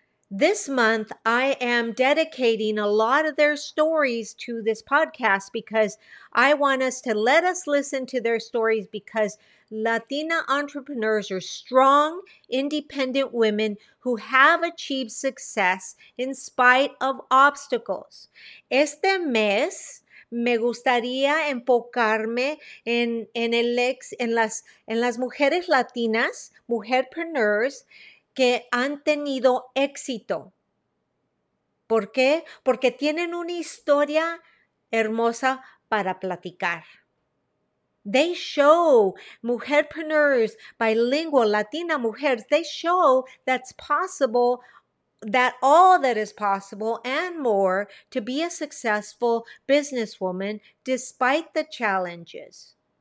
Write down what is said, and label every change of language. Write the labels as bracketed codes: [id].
[en] This month, I am dedicating a lot of their stories to this podcast because I want us to let us listen to their stories, because Latina entrepreneurs are strong, independent women who have achieved success in spite of obstacles. [es] Este mes, me gustaría enfocarme en las mujeres latinas, mujerpreneurs, que han tenido éxito. ¿Por qué? Porque tienen una historia hermosa para platicar. [en] They show, mujerpreneurs, bilingual, Latina mujeres, they show that's possible, that all that is possible and more to be a successful businesswoman despite the challenges.